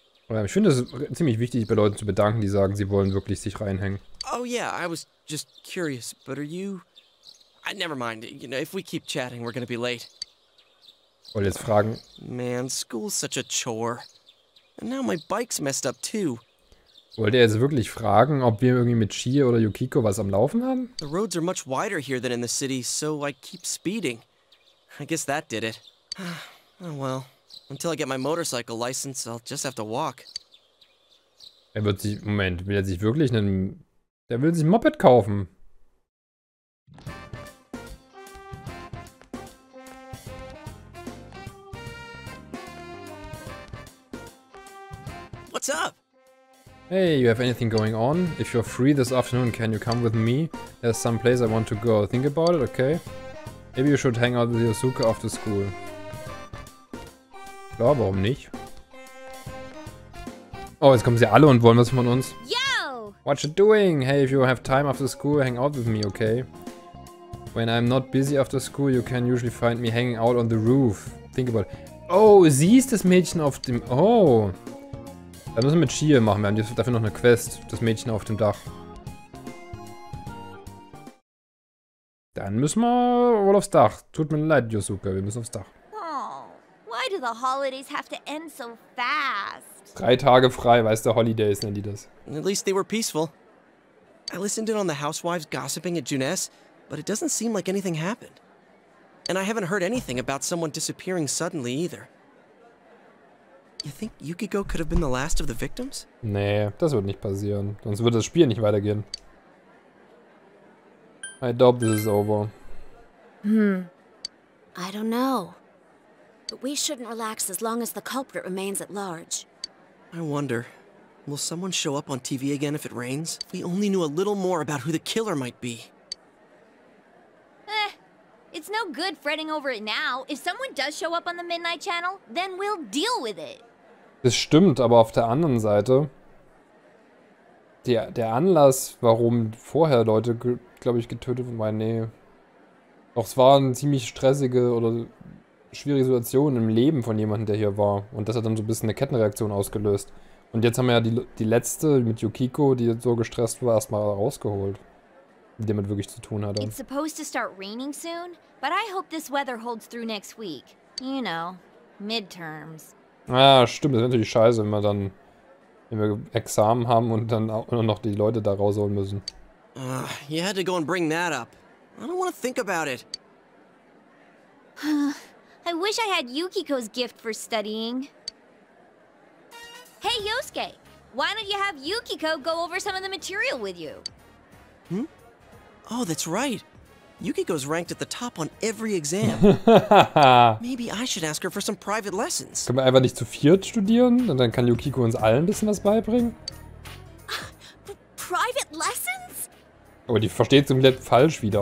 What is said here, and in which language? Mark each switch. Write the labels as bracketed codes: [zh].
[de] Ich finde es ziemlich wichtig, bei Leuten zu bedanken, die sagen, sie wollen wirklich sich reinhängen. [en] Oh yeah, I was just curious, but are you... never mind, you know, if we keep chatting, we're gonna be late. [de] Wollte jetzt fragen... [en] Man, school's such a chore. And now my bike's messed up too. [de] Wollte er jetzt wirklich fragen, ob wir irgendwie mit Chie oder Yukiko was am Laufen haben? [en] The roads are much wider here than in the city, so I keep speeding. I guess that did it. Oh well. Until I get my motorcycle license, I'll just have to walk. [de] Er wird sich... Moment, will er sich wirklich einen... Der will sich ein Moped kaufen. [en] What's up? Hey, you have anything going on? If you're free this afternoon, can you come with me? There's some place I want to go. Think about it, okay? Maybe you should hang out with Yosuke after school. [de] Ja, warum nicht? Oh, jetzt kommen sie alle und wollen was von uns. [en] Yo! What you doing? Hey, if you have time after school, hang out with me, okay? When I'm not busy after school, you can usually find me hanging out on the roof. Think about it. [de] Oh, sie ist das Mädchen auf dem... Oh! Dann müssen wir mit Chie machen. Wir haben dafür noch eine Quest. Das Mädchen auf dem Dach. Dann müssen wir wohl aufs Dach. Tut mir leid, Yosuke. Wir müssen aufs Dach. [en] Why do the holidays have to end so fast? [de] 3 Tage frei, weißt du, Holidays nennen die das. [en] At least they were peaceful. I listened in on the housewives gossiping at Juness, but it doesn't seem like anything happened. And I haven't heard anything about someone disappearing suddenly either. You think Yukiko could have been the last of the victims? [de] Nee, das wird nicht passieren. Sonst würde das Spiel nicht weitergehen. [en] I doubt this is over. I don't know. But we shouldn't relax as long as the culprit remains at large. I wonder, will someone show up on TV again if it rains? If we only knew a little more about who the killer might be. Eh, it's no good fretting over it now. If someone does show up on the Midnight Channel, then we'll deal with it. [de] Das stimmt, aber auf der anderen Seite, der Anlass, warum vorher Leute, glaube ich, getötet wurden, war, nee. Doch, es waren ziemlich stressige oder... schwierige Situation im Leben von jemandem, der hier war. Und das hat dann so ein bisschen eine Kettenreaktion ausgelöst. Und jetzt haben wir ja die letzte mit Yukiko, die so gestresst war, erstmal rausgeholt. mit dem man wirklich zu tun hatte. [en] It's supposed to start raining soon, but I hope this weather holds through next week. You know, midterms. [de] Ah, stimmt, das ist natürlich scheiße, wenn wir dann Examen haben und dann auch noch die Leute da rausholen müssen. [en] You had to go and bring that up. I don't want to think about it. I wish I had Yukiko's gift for studying. Hey Yosuke, why don't you have Yukiko go over some of the material with you? Hmm? Oh, that's right. Yukiko's ranked at the top on every exam. Maybe I should ask her for some private lessons. [de] Können wir einfach nicht zu viert studieren? Und dann kann Yukiko uns allen ein bisschen was beibringen? [en] Private lessons? [de] Aber die versteht es im Letzten falsch wieder.